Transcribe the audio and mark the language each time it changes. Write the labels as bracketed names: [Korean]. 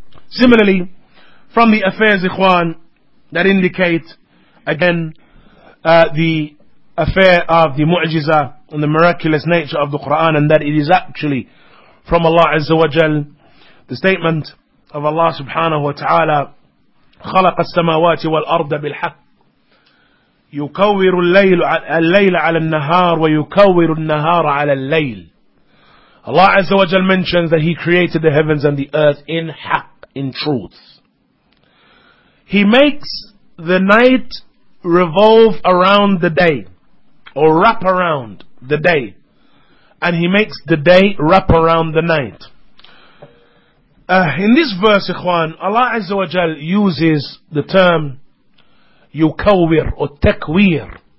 [English] Similarly, from the affairs, ikhwan, that indicate, again, the affair of the mu'jiza and the miraculous nature of the Quran, and that it is actually from Allah Azza wa Jal, the statement of Allah subhanahu wa ta'ala [Arabic] خلق السماوات والأرض بالحق يكور الليل على النهار ويكور النهار على الليل. [English] Allah Azza wa Jal mentions that He created the heavens and the earth in haqq, in truth. He makes the night revolve around the day, or wrap around the day. And He makes the day wrap around the night. In this verse, ikhwan, Allah Azza wa Jal uses the term yukawwir or takwir.